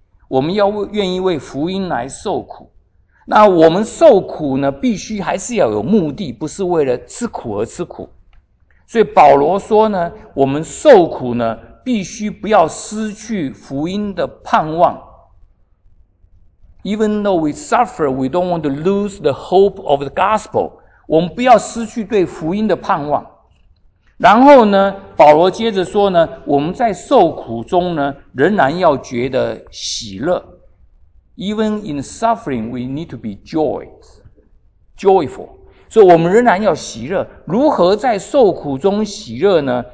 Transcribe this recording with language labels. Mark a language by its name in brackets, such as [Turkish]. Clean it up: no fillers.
[Chinese] 我们要愿意为福音来受苦。那我们受苦呢，必须还是要有目的，不是为了吃苦而吃苦。所以保罗说呢，我们受苦呢，必须不要失去福音的盼望。 [English] Even though we suffer, we don't want to lose the hope of the gospel. [Chinese] 我们不要失去对福音的盼望。然后呢，保罗接着说呢，我们在受苦中呢，仍然要觉得喜乐。 [English] Even in suffering, we need to be joyful. [Chinese] 所以我们仍然要喜乐。如何在受苦中喜乐呢？